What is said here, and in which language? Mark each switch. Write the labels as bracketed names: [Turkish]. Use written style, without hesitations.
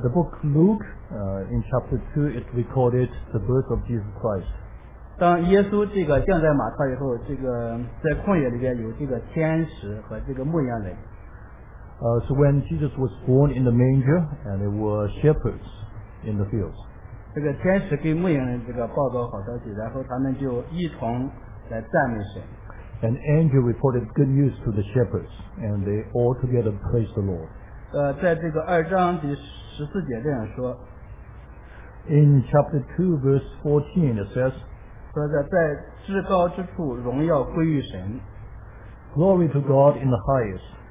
[English] The book Luke in chapter 2 it recorded the birth of Jesus Christ. [Chinese] 当耶稣这个降在马槽以后，这个在旷野里边有这个天使和这个牧羊人。 [English] So when Jesus was born in the manger, and there were shepherds in the fields. [Chinese] 这个天使给牧羊人这个报告好消息，然后他们就一同来赞美神。 [English] An angel reported good news to the shepherds, and they all together praised the Lord. [Chinese] 在这个二章第十四节这样说。 [English] In chapter 2, verse 14, it says, [Chinese] 说在至高之处荣耀归于神。 [English] Glory to God in the highest.